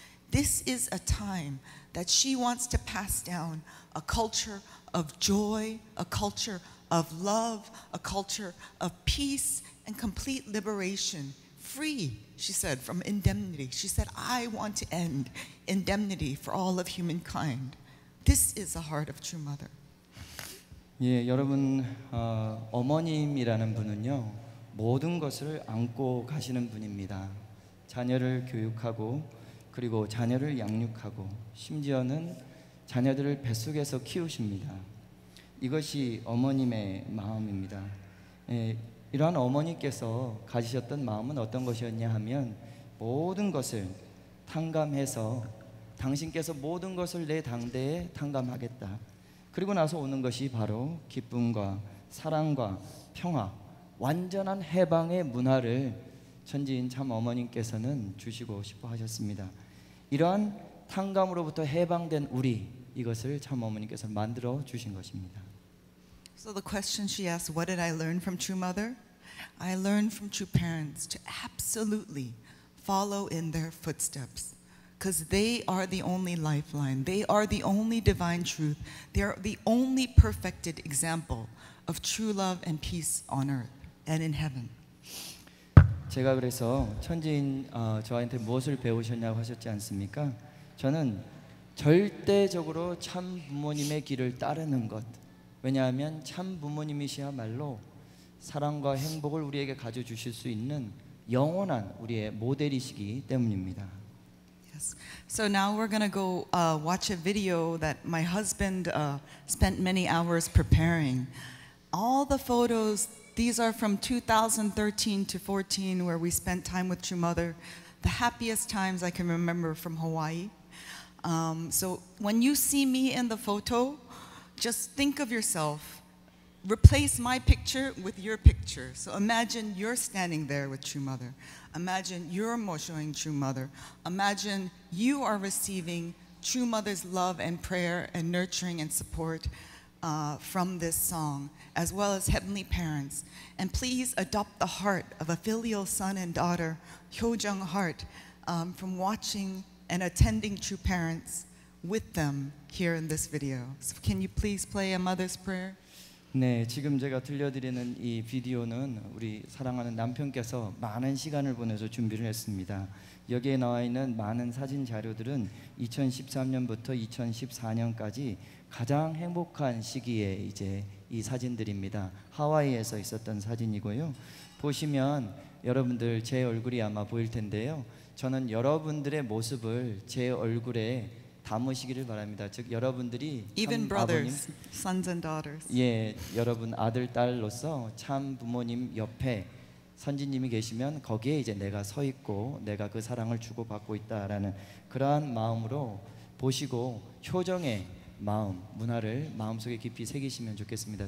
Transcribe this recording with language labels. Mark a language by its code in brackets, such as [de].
[en] This is a time that she wants to pass down a culture of joy, a culture of love, a culture of peace and complete liberation, free, she said, from indemnity. She said, I want to end indemnity for all of humankind. This is the heart of True Mother. [ko] 예, 여러분 어머님이라는 분은요 모든 것을 안고 가시는 분입니다. 자녀를 교육하고 그리고 자녀를 양육하고 심지어는 자녀들을 뱃속에서 키우십니다. 이것이 어머님의 마음입니다. 예, 이러한 어머니께서 가지셨던 마음은 어떤 것이었냐 하면 모든 것을 탕감해서 당신께서 모든 것을 내 당대에 탕감하겠다. 그리고 나서 오는 것이 바로 기쁨과 사랑과 평화, 완전한 해방의 문화를 천지인 참 어머님께서는 주시고 싶어 하셨습니다. 이러한 탕감으로부터 해방된 우리, 이것을 참 어머님께서 만들어 주신 것입니다. [en] So the question she asked, what did I learn from true mother? I learned from true parents to absolutely follow in their footsteps. Because they are the only lifeline. They are the only divine truth. They are the only perfected example of true love and peace on earth and in heaven. [ko] 제가 그래서 천지인 저한테 무엇을 배우셨냐고 하셨지 않습니까? 저는 절대적으로 참 부모님의 길을 따르는 것. 왜냐하면 참 부모님이시야말로 사랑과 행복을 우리에게 가져주실 수 있는 영원한 우리의 모델이시기 때문입니다. [en] So now we're going to go watch a video that my husband spent many hours preparing. All the photos, these are from 2013 to 14 where we spent time with True Mother, the happiest times I can remember from Hawaii. So when you see me in the photo, just think of yourself. Replace my picture with your picture. So imagine you're standing there with True Mother. Imagine you're showing True Mother. Imagine you are receiving True Mother's love and prayer and nurturing and support from this song, as well as Heavenly Parents. And please adopt the heart of a filial son and daughter, Hyojung heart, from watching and attending True Parents with them here in this video. So can you please play a mother's prayer? [ko] 네, 지금 제가 들려드리는 이 비디오는 우리 사랑하는 남편께서 많은 시간을 보내서 준비를 했습니다. 여기에 나와 있는 많은 사진 자료들은 2013년부터 2014년까지 가장 행복한 시기에 이제 이 사진들입니다. 하와이에서 있었던 사진이고요. 보시면 여러분들 제 얼굴이 아마 보일 텐데요. 저는 여러분들의 모습을 제 얼굴에 담으시기를 바랍니다. 즉 여러분들이 [en] Even brothers, 아버님, sons and daughters. [ko] 예, 여러분 아들 딸로서 참 부모님 옆에 선지님이 계시면 거기에 이제 내가 서 있고 내가 그 사랑을 주고 받고 있다라는 그러한 마음으로 보시고 효정의 마음 문화를 마음속에 깊이 새기시면 좋겠습니다.